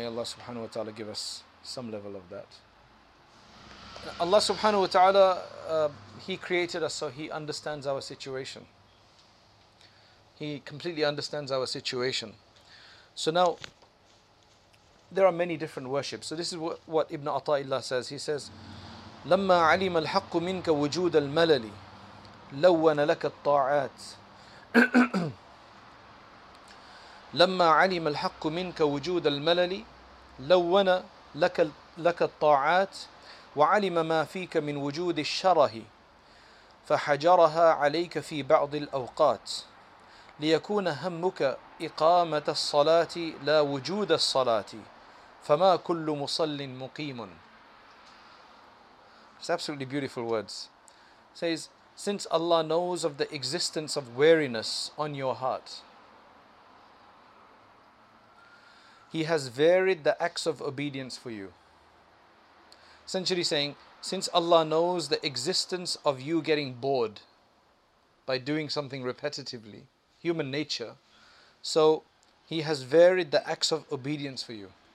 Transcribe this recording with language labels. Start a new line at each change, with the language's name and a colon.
English: May Allah subhanahu wa ta'ala give us some level of that. Allah subhanahu wa ta'ala, He created us, so He understands our situation. He completely understands our situation. So now, there are many different worships. So this is what Ibn Ata'illah says. He says,
Arabic: لما علم الحق منك وجود الملل لون لك الطاعات لما علم الحق منك وجود الملل لون لك الطاعات وعلم ما فيك من وجود الشره فحجرها عليك في بعض الأوقات ليكون همك إقامة الصلاة لا وجود الصلاة فما كل مصل مقيم.
English: It's absolutely beautiful words. It says, since Allah knows of the existence of weariness on your heart, He has varied the acts of obedience for you. Essentially saying, since Allah knows the existence of you getting bored by doing something repetitively, human nature, so He has varied the acts of obedience for you.